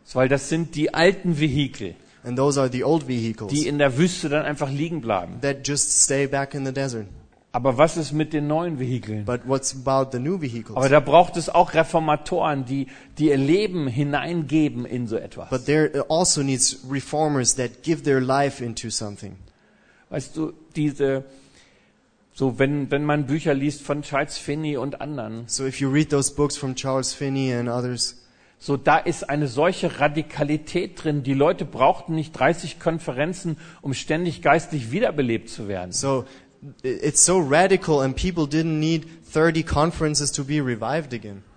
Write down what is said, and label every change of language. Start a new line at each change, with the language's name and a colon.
German: Weil das sind die alten Vehikel.
English: And those are the old vehicles.
German: Die in der Wüste dann einfach liegen bleiben.
English: That just stay back in the desert.
German: Aber was ist mit den neuen Vehikeln?
English: But what's about the new vehicles?
German: Aber da braucht es auch Reformatoren, die ihr Leben hineingeben in so etwas.
English: But there also needs reformers that give their life into something.
German: Weißt du, wenn man Bücher liest von Charles Finney und anderen.
English: So if you read those books from Charles Finney and others.
German: So, da ist eine solche Radikalität drin. Die Leute brauchten nicht 30 Konferenzen, um ständig geistlich wiederbelebt zu werden.
English: So it's so radical and people didn't need 30 conferences to be revived again.